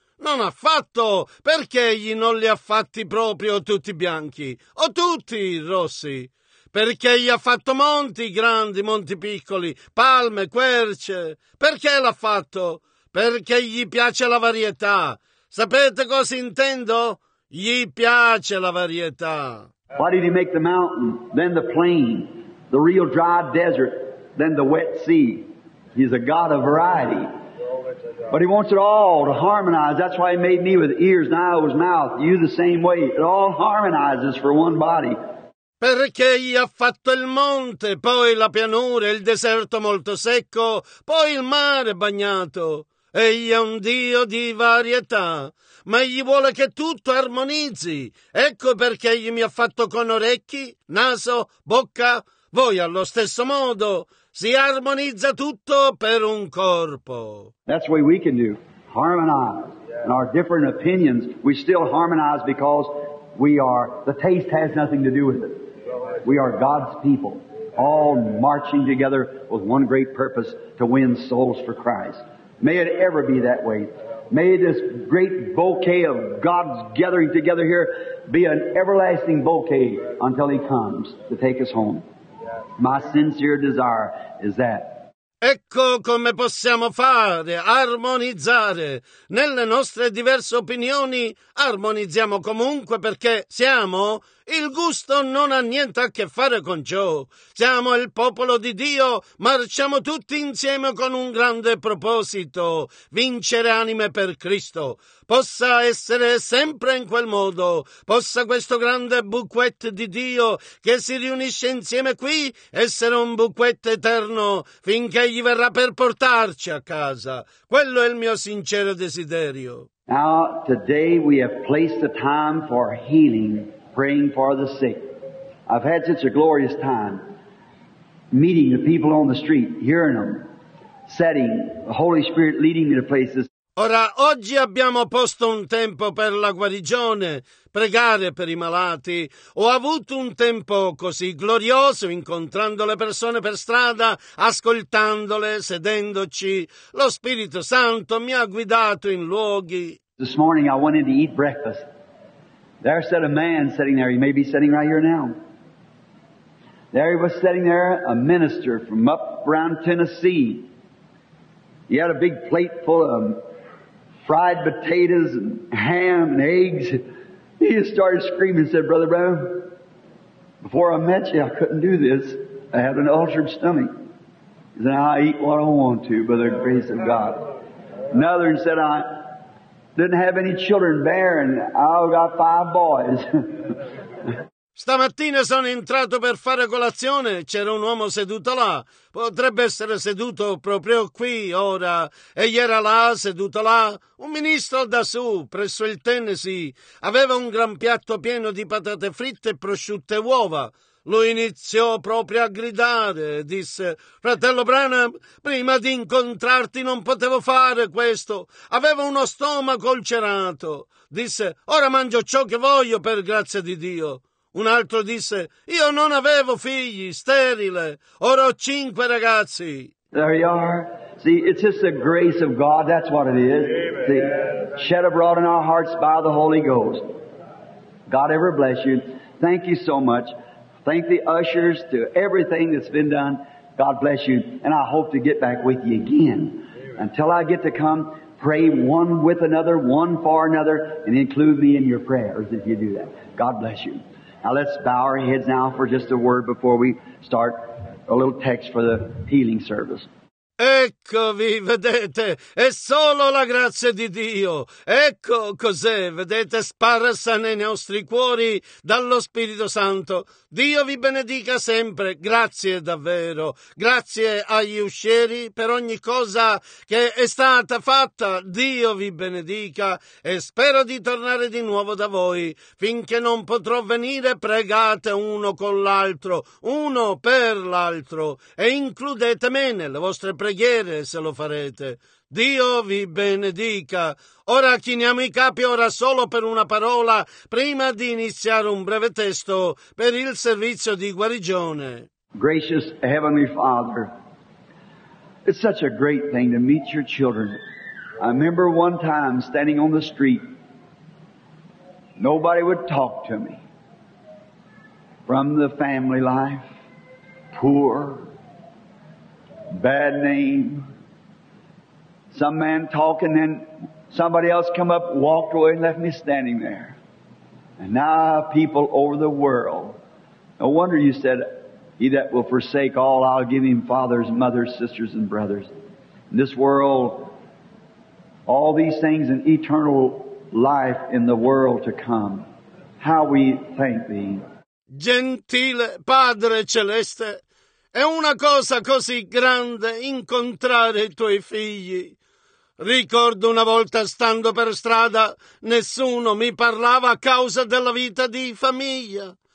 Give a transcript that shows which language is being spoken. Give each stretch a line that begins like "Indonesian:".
Italian: Non ha fatto. Perché egli non li ha fatti proprio tutti bianchi o tutti rossi? Perché gli ha fatto monti grandi, monti piccoli, palme, querce. Perché l'ha fatto? Perché gli piace la varietà. Sapete cosa intendo? Gli piace la varietà.
English: Why did he make the mountain, then the plain, the real dry desert, then the wet sea? He's a God of variety. But he wants it all to harmonize. That's why he made me with ears, now his mouth, you the same way. It all harmonizes for one body.
Italian: Perché gli ha fatto il monte, poi la pianura, il deserto molto secco, poi il mare bagnato. Egli è un Dio di varietà, ma egli vuole che tutto armonizzi. Ecco perché egli mi ha fatto con orecchi, naso, bocca. Voi allo stesso modo, si armonizza tutto per un corpo.
English: That's what we can do, harmonize. In our different opinions, we still harmonize because we are, the taste has nothing to do with it. We are God's people, all marching together with one great purpose to win souls for Christ. May it ever be that way. May this great bouquet of God's gathering together here be an everlasting bouquet until He comes to take us home. My sincere desire is that.
Italian: Ecco come possiamo fare, armonizzare. Nelle nostre diverse opinioni armonizziamo comunque perché siamo. Il gusto non ha niente a che fare con ciò. Siamo il popolo di Dio, marciamo tutti insieme con un grande proposito, vincere anime per Cristo. Possa essere sempre in quel modo, possa questo grande bouquet di Dio che si riunisce insieme qui essere un bouquet eterno finché gli verrà per portarci a casa. Quello è il mio sincero desiderio.
English: Now, today we have placed the time for healing. Praying for the sick. I've had such a glorious time meeting the people on the street, hearing them, setting the Holy Spirit leading me to places.
Italian: Ora, oggi abbiamo posto un tempo per la guarigione, pregare per i malati. Ho avuto un tempo così glorioso incontrando le persone per strada, ascoltandole, sedendoci. Lo Spirito Santo mi ha guidato in luoghi.
English: This morning I wanted to eat breakfast. There sat a man sitting there. He may be sitting right here now. There he was sitting there, a minister from up around Tennessee. He had a big plate full of fried potatoes and ham and eggs. He just started screaming and said, Brother Brown, before I met you, I couldn't do this. I had an ulcered stomach. He said, I eat what I want to by the grace of God. Another one said, I didn't have any children, barren. I've got five boys.
Italian: Stamattina sono entrato per fare colazione. C'era un uomo seduto là. Potrebbe essere seduto proprio qui ora. Egli era là, seduto là. Un ministro da su, presso il Tennessee, aveva un gran piatto pieno di patate fritte e prosciutte e uova. Lui iniziò proprio a gridare e disse, «Fratello Branham, prima di incontrarti non potevo fare questo. Avevo uno stomaco ulcerato». Disse, «Ora mangio ciò che voglio per grazia di Dio». Un altro disse, «Io non avevo figli, sterile. Ora ho cinque ragazzi».
English: There you are. See, it's just the grace of God, that's what it is. See, shed abroad in our hearts by the Holy Ghost. God ever bless you. Thank you so much. Thank the ushers to everything that's been done. God bless you. And I hope to get back with you again. Amen. Until I get to come, Pray one with another, one for another, and include me in your prayers if you do that. God bless you. Now let's bow our heads now for just a word before we start a little text for the healing service.
Italian: Eccovi, vedete, è solo la grazia di Dio. Ecco cos'è, vedete, sparsa nei nostri cuori dallo Spirito Santo. Dio vi benedica sempre, grazie davvero. Grazie agli uscieri per ogni cosa che è stata fatta. Dio vi benedica e spero di tornare di nuovo da voi. Finché non potrò venire, pregate uno con l'altro, uno per l'altro, e includete me nelle vostre preghiere. Preghiere se lo farete. Dio vi benedica. Ora chiniamo i capi, ora solo per una parola, prima di iniziare un breve testo per il servizio di guarigione.
English: Gracious Heavenly Father, it's such a great thing to meet your children. I remember one time standing on the street, nobody would talk to me from the family life, poor. Bad name. Some man talking, then somebody else come up, walked away, and left me standing there. And now people over the world. No wonder you said, he that will forsake all, I'll give him fathers, mothers, sisters, and brothers. In this world, all these things, an eternal life in the world to come. How we thank thee.
Italian: Gentile Padre Celeste, è una cosa così grande incontrare i tuoi figli. Ricordo una volta, stando per strada, nessuno mi parlava a causa della vita di famiglia.